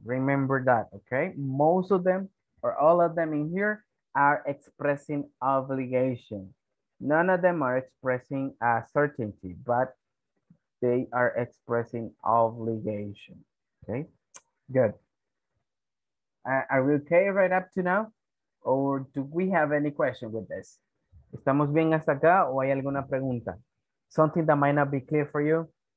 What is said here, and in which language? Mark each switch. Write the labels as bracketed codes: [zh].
[en] Remember that, okay? Most of them, or all of them in here, are expressing obligation. None of them are expressing a certainty, but they are expressing obligation. Okay, good. Are we okay right up to now? Or do we have any question with this? [es] ¿Estamos bien hasta acá o hay alguna pregunta? [en] Something that might not be clear for you?